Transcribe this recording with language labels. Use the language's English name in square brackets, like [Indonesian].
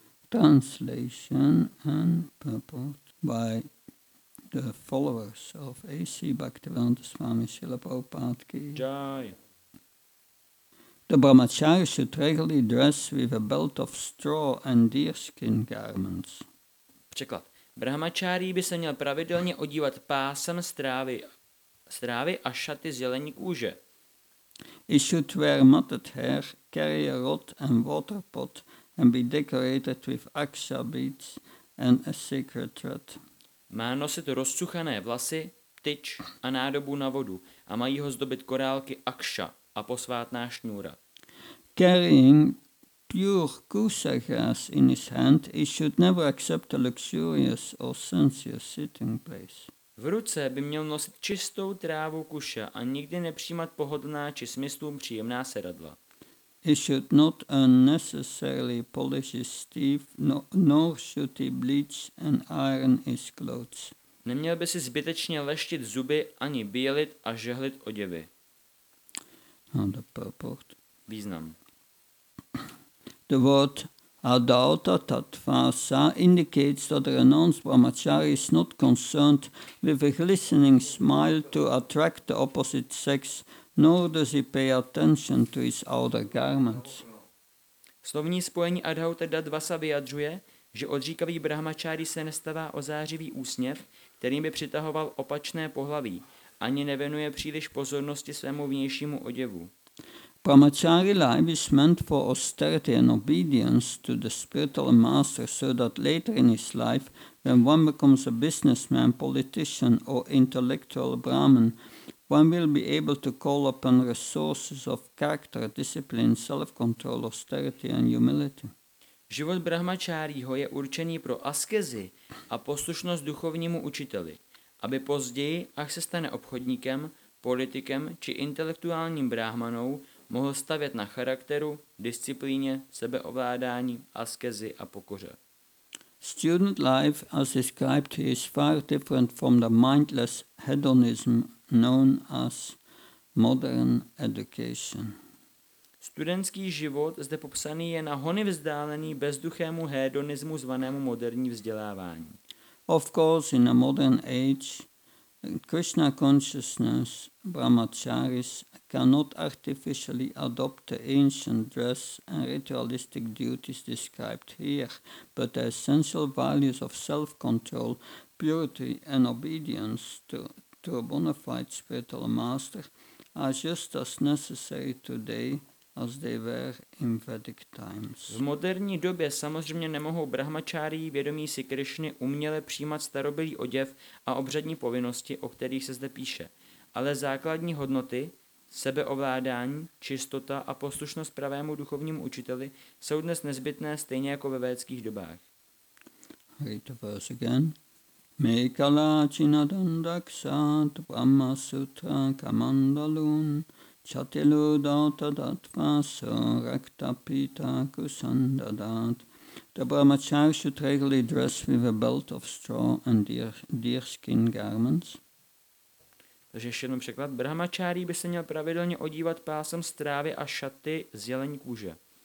[English] Translation and purport by the followers of A.C. Bhaktivedanta Swami Srila Prabhupada Ki. [Sanskrit] Jai. [English] The brahmachari should regularly dress with a belt of straw and deerskin garments. [Czech] Překlad. Brahmachari by se měl pravidelně odívat pásem strávy a šaty z jelení kůže. [English] He should wear matted hair, carry a rod and water pot and be decorated with aksha beads and a sacred thread. [Czech] Má nosit rozcuchané vlasy, tyč a nádobu na vodu a mají ho zdobit korálky akša a posvátná šňůra. [English] Carrying pure kusagras in his hand, he should never accept a luxurious or sensuous sitting place. [Czech] V ruce by měl nosit čistou trávu kuša a nikdy nepřijímat pohodlná či smyslům příjemná sedadla. [English] He should not unnecessarily polish his teeth, nor should he bleach and iron his clothes. [Czech] Neměl by si zbytečně leštit zuby ani bělit a žehlit oděvy. [English] No, the purport. [Czech] Význam. [English] The word adulta tatvasa indicates that a renounced brahmachari is not concerned with a glistening smile to attract the opposite sex, nor does he pay attention to his outer garments. [Czech] Slovní spojení adhauta dadvasa vyjadřuje, že odříkavý brahmačáry se nestává o zářivý úsměv, kterým by přitahoval opačné pohlaví, ani nevěnuje příliš pozornosti svému vnějšímu oděvu. [English] Brahmachari life is meant for austerity and obedience to the spiritual master so that later in his life, when one becomes a businessman, politician or intellectual Brahmin, one will be able to call upon resources of character, discipline, self-control, austerity and humility. [Czech] Život brahmačáriho je určený pro askezi a poslušnost duchovnímu učiteli, aby později, až se stane obchodníkem, politikem či intelektuálním brahmanou, mohl stavět na charakteru, disciplíně, sebeovládání, askezi a pokoře. [English] Student life, as described, is far different from the mindless hedonism known as modern education. [Czech] Studentský život zde popsaný je na hony vzdálený bezduchému hedonismu zvanému moderní vzdělávání. [English] Of course, in a modern age, Krishna consciousness, brahmacharis, cannot artificially adopt the ancient dress and ritualistic duties described here, but the essential values of self-control, purity and obedience to a bona fide spiritual master are just as necessary today as they were in Vedic times. [Czech] V moderní době samozřejmě nemohou brahmačáry vědomí si Krišny uměle přijímat starobylý oděv a obřadní povinnosti, o kterých se zde píše. Ale základní hodnoty, sebeovládání, čistota a poslušnost pravému duchovnímu učiteli jsou dnes nezbytné stejně jako ve védských dobách. [English] Read the verse again. [Sanskrit] Mekala chinadandaksat brahma sutra kamandalun Chatilu dauta datva so rakta pita kusanda dat. [English] The brahmachari should regularly dress with a belt of straw and deerskin garments. [Czech] Takže ještě jednou překlad. Brahmachari by se měl pravidelně odívat pásem strávy a šaty z jelení kůže.